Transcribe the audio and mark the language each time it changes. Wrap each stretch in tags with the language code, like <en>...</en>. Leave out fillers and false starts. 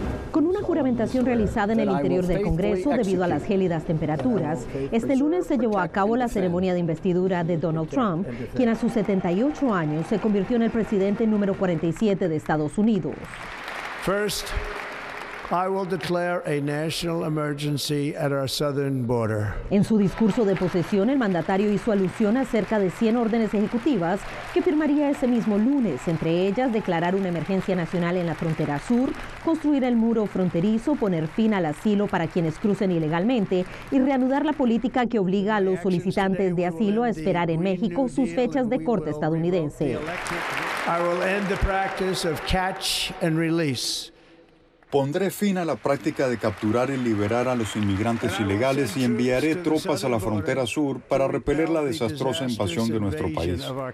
<es>Con una juramentación realizada en el interior del Congreso debido a las gélidas temperaturas, este lunes se llevó a cabo la ceremonia de investidura de Donald Trump, quien a sus 78 años se convirtió en el presidente número 47 de Estados Unidos.</es> <en>First, I will declare a national emergency at our southern border.</en> <es>En su discurso de posesión, el mandatario hizo alusión a cerca de 100 órdenes ejecutivas que firmaría ese mismo lunes, entre ellas declarar una emergencia nacional en la frontera sur, construir el muro fronterizo, poner fin al asilo para quienes crucen ilegalmente y reanudar la política que obliga a los solicitantes de asilo a esperar en México sus fechas de corte estadounidense.</es> <en>I will end the practice of catch and release.</en> <es>Pondré fin a la práctica de capturar y liberar a los inmigrantes ilegales y enviaré tropas a la frontera sur para repeler la desastrosa invasión de nuestro país.</es>